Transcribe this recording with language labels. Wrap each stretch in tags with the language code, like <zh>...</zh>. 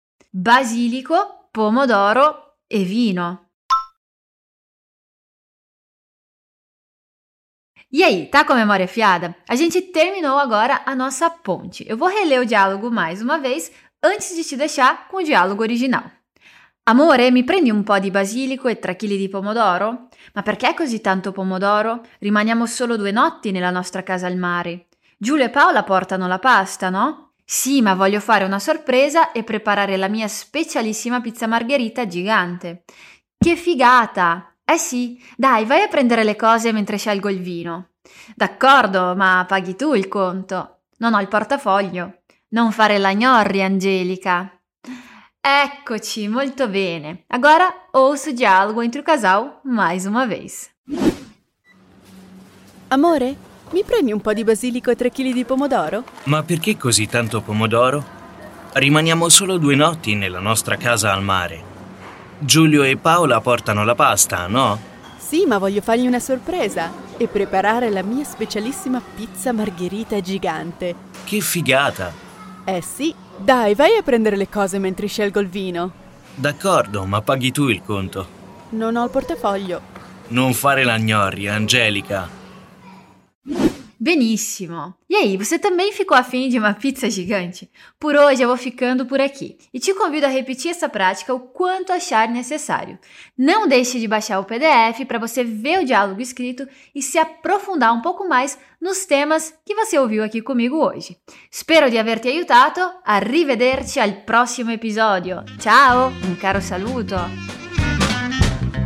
<it>Basilico, pomodoro e vino.</it> <pt>E aí, tá com a memória fiada? A gente terminou agora a nossa ponte. Eu vou reler o diálogo mais uma vez antes de te deixar com o diálogo original.</pt> <it>Amore, mi prendi un po' di basilico e 3 chili di pomodoro? Ma perché così tanto pomodoro? Rimaniamo solo 2 notti nella nostra casa al mare. Giulio e Paola portano la pasta, no? Sì, ma voglio fare una sorpresa e preparare la mia specialissima pizza margherita gigante. Che figata! Eh sì, dai, vai a prendere le cose mentre scelgo il vino. D'accordo, ma paghi tu il conto. Non ho il portafoglio. Non fare la gnorri, Angelica. Eccoci, molto bene.</it> <pt>Agora ouço o diálogo entre o casal mais uma vez.</pt> <it>Amore, mi prendi un po' di basilico e 3 chili di pomodoro? Ma perché così tanto pomodoro? Rimaniamo solo 2 notti nella nostra casa al mare. Giulio e Paola portano la pasta, no? Sì, ma voglio fargli una sorpresa e preparare la mia specialissima pizza margherita gigante. Che figata! Eh sì, dai, vai a prendere le cose mentre scelgo il vino. D'accordo, ma paghi tu il conto. Non ho il portafoglio. Non fare la gnorri, Angelica. Benissimo.</it> <pt>E aí, você também ficou afim de uma pizza gigante? Por hoje eu vou ficando por aqui. E te convido a repetir essa prática o quanto achar necessário. Não deixe de baixar o PDF para você ver o diálogo escrito e se aprofundar um pouco mais nos temas que você ouviu aqui comigo hoje. Espero de haver te</pt> <it>aiutato. Arrivederci al prossimo episodio. Ciao, un caro saluto.</it>